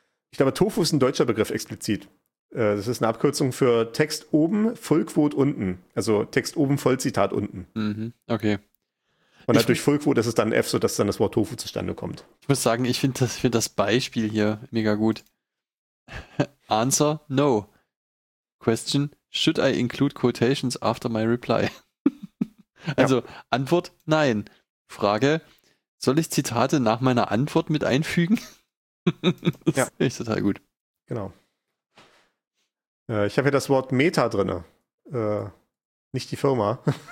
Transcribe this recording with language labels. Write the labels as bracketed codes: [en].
[de] Ich glaube, Tofu ist ein deutscher Begriff explizit. Das ist eine Abkürzung für Text oben, Vollquote unten. Also Text oben, Vollzitat unten. Mhm. Okay. Und halt durch Vollquote ist es dann F, sodass dann das Wort Tofu zustande kommt. Ich muss sagen, ich finde das Beispiel hier mega gut. [en] Answer, no. Question, should I include quotations after my reply? [de] Also ja. Antwort, nein. Frage, soll ich Zitate nach meiner Antwort mit einfügen? Das ja. Finde ich total gut. Genau. Ich habe hier das Wort Meta drin. Nicht die Firma.